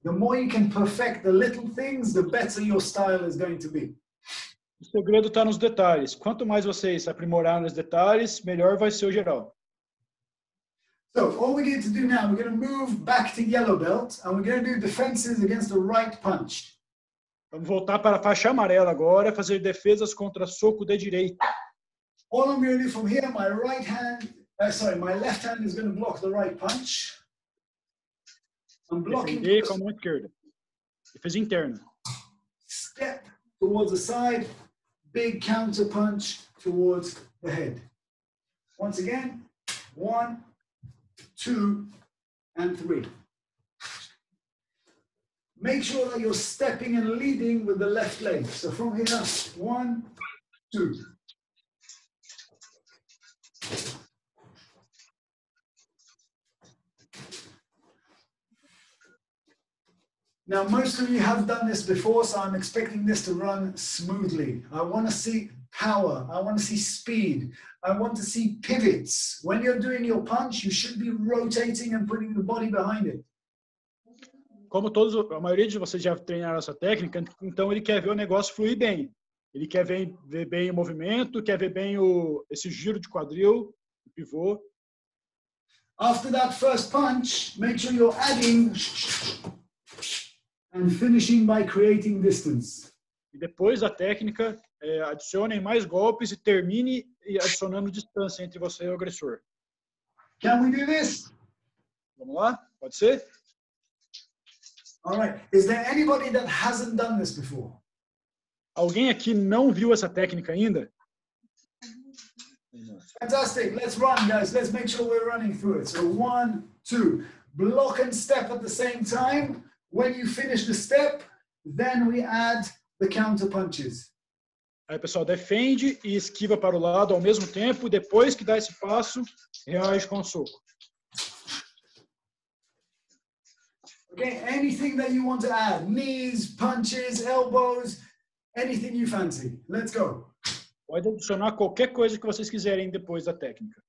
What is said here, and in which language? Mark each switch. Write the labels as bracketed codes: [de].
[en] The more you can perfect the little things, the better your style is going to be. [pt] O segredo está nos detalhes. Quanto mais vocês aprimorarem os detalhes, melhor vai ser o geral. [en] So, all we need to do now, we're going to move back to yellow belt, and we're going to do defenses against the right punch. [pt] Vamos voltar para a faixa amarela agora, fazer defesas contra soco de direita. [en] All I'm going to do from here, my left hand is going to block the right punch. I'm blocking. [pt] Defender com a mão esquerda. Defesa interna. [en] Step towards the side, big counter punch towards the head. Once again, one, two, and three. Make sure that you're stepping and leading with the left leg. So from here, one, two. Now, most of you have done this before, so I'm expecting this to run smoothly. I want to see power. I want to see speed. I want to see pivots. When you're doing your punch, you should be rotating and putting the body behind it. [pt] Como todos, a maioria de vocês já treinaram essa técnica, então ele quer ver o negócio fluir bem. Ele quer ver bem o movimento, quer ver bem esse giro de quadril, o pivô. [en] After that first punch, make sure you're adding and finishing by creating distance. [pt] E depois da técnica, adicionem mais golpes e termine adicionando distância entre você e o agressor. [en] Can we do this? [pt] Vamos lá? Pode ser? [en] All right. Is there anybody that hasn't done this before? [pt] Alguém aqui não viu essa técnica ainda? [en] Fantastic. Let's run, guys. Let's make sure we're running through it. So one, two. Block and step at the same time. When you finish the step, then we add the counter punches. [pt] Aí, pessoal, defende e esquiva para o lado ao mesmo tempo. Depois que dá esse passo, reage com o soco. [en] Okay, anything that you want to add, knees, punches, elbows, anything you fancy. Let's go. [pt] Pode adicionar qualquer coisa que vocês quiserem depois da técnica.